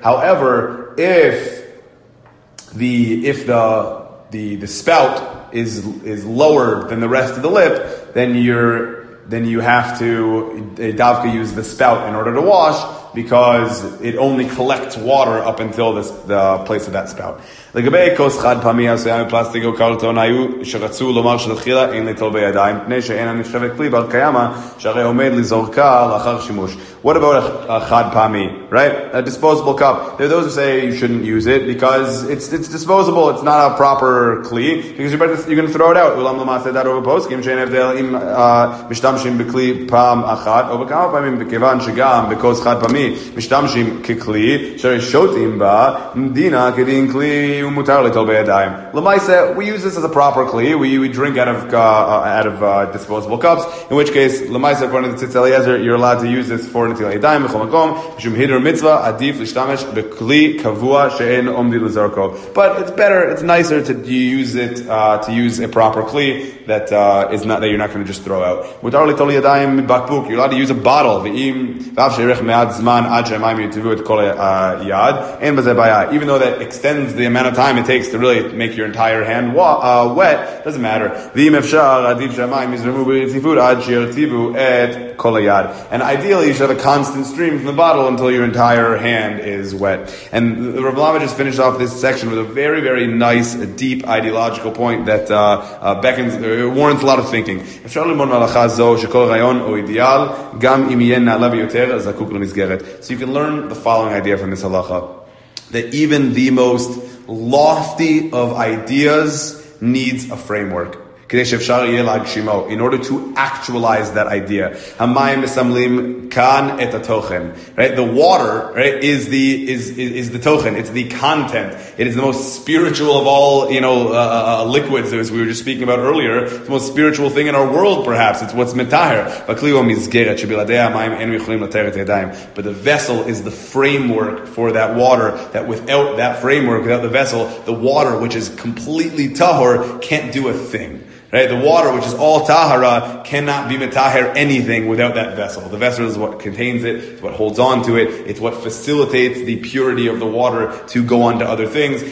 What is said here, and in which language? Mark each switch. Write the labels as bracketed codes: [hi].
[en] However, if the spout is lower than the rest of the lip, then you have to davka use the spout in order to wash, because it only collects water up until this, the place of that spout. [he] לגבי כוס חד פעמי עשויה מפלסטיק או קרטון, היו שרצו לומר שלחילה אין לטול בידיים, פני שאין אני שווה כלי בר קיימה, שהרי עומד לזורקה לאחר שימוש. [en] What about a חד פעמי, right? A disposable cup. There are those who say you shouldn't use it because it's disposable, it's not a proper כלי, because you're going to throw it out. [he] אולם למעשה דעת רוב הפוסקים שאין הבדל אם משתמשים בכלי פעם אחת או בכמה פעמים, בכיוון שגם בכוס חד פעמי משתמשים ככלי, שהרי שותים בה, דינה כדין כלי ומותר לטול בידיים. [en] למעשה, we use this as a proper כלי, we drink out of disposable cups, in which case, למעשה, according to Tzitz Eliezer, you're allowed to use this for נטיל הידיים [he] בכל מקום, משום הידר מצווה, עדיף להשתמש בכלי קבוע שאין עומדי לזרקו. [en] But it's better, it's nicer to use it, to use a proper כלי that is not, that you're not going to just throw out. [he] מותר לטול ידיים בקבוק, [en] you're allowed to use a bottle, [he] ואם, ואף שירך מעט זמן עד שהמיים יטבו את כל היד, אין בזה בעיה. [en] Even though that extends the amount of time it takes to really make your entire hand wet, doesn't matter. [he] ואם אפשר, עדיף שהמיים יזרמו ברציפות עד שירטיבו את כל היד. [en] And ideally, you should have a constant stream from the bottle until your entire hand is wet. And Rav Lama just finished off this section with a very, very nice, deep, ideological point that warrants a lot of thinking. [he] אפשר ללמוד מהלכה זו שכל רעיון או אידיאל, גם אם יהיה נעלה ביותר, זקוק למסגרת. [en] So you can learn the following idea from this halacha, that even the most lofty of ideas needs a framework. [he] כדי שאפשר יהיה להגשימו, [en] in order to actualize that idea. [he] המים מסמלים כאן את התוכן. [en] Right? The water, right, is the תוכן. It's the content. It is the most spiritual of all, you know, liquids, as we were just speaking about earlier. It's the most spiritual thing in our world, perhaps. It's what's מתאר. [he] בכלי הוא המסגרת, שבלעדי המים אינו יכולים לתאר את הידיים. [en] But the vessel is the framework for that water, that without that framework, without the vessel, the water, which is completely tahor, can't do a thing. Right, the water, which is all tahara, cannot be metaher anything without that vessel. The vessel is what contains it, it's what holds on to it, it's what facilitates the purity of the water to go on to other things.